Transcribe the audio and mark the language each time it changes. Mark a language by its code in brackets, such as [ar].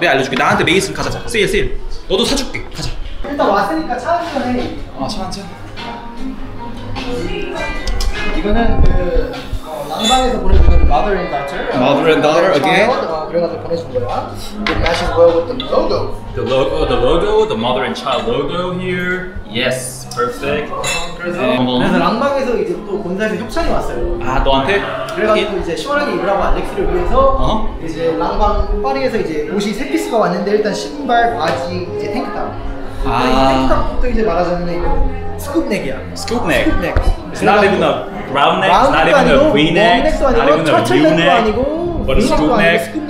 [ko] 내가 알려줄게. 나한테 메이슨 가자. 세일 세일. 너도 사줄게. 가자. 일단 왔으니까 차 한잔 해. 아, 차 한잔. 이거는 랑방에서 보내준 [en] mother and daughter. Mother and daughter again. [ko] 그래가지고 보내준 거야. [en] That's as well with the logo. The logo, the logo, the mother and child logo here. Yes, perfect. [ko] 그래서 랑방에서 이제 또 본사에서 협찬이 왔어요. 아 너한테? 그래가지고 이제 시원하게 입으라고 알렉스를 위해서 이제 랑방 파리에서 이제 옷이 세 피스가 왔는데 일단 신발, 바지, 이제 탱크탑. 아 탱크탑부터 이제 말하자면 이거. 스쿱넥이야. 스쿱넥. 스쿱넥. [en] It's not even a round neck, round not even [ko] 아니고, [en] a V-neck, not even a U-neck, but a scoop-neck.